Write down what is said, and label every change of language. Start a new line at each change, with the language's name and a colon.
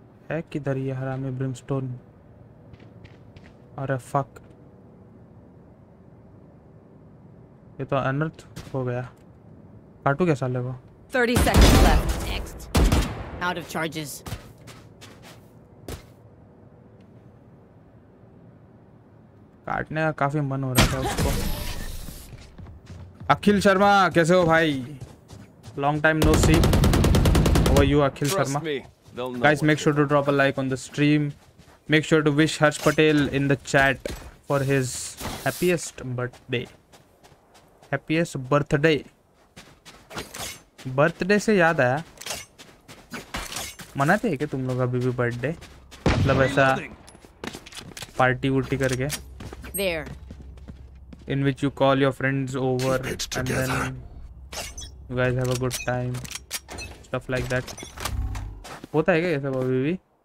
Hindi: है किधर ये हरामी ब्रिमस्टोन। अरे फक ये तो अनर्थ हो गया। काटू क्या साले को?
English: 30 seconds left. Next. Out of charges.
Hindi: काटने का काफी मन हो रहा था उसको। अखिल शर्मा कैसे हो भाई?
English: Long time no see. How are you, Akhil Sharma? Guys, make sure to drop a like on the stream. Make sure to wish Harsh Patel in the chat for his happiest birthday. Happiest birthday.
Hindi: Birthday से याद आया, मनाते हैं क्या तुम लोग अभी भी बर्थडे? मतलब ऐसा पार्टी वुटी करके
English: there in which you call your friends over and then you guys have a good time stuff like that
Hindi: होता है क्या ये सब अभी भी?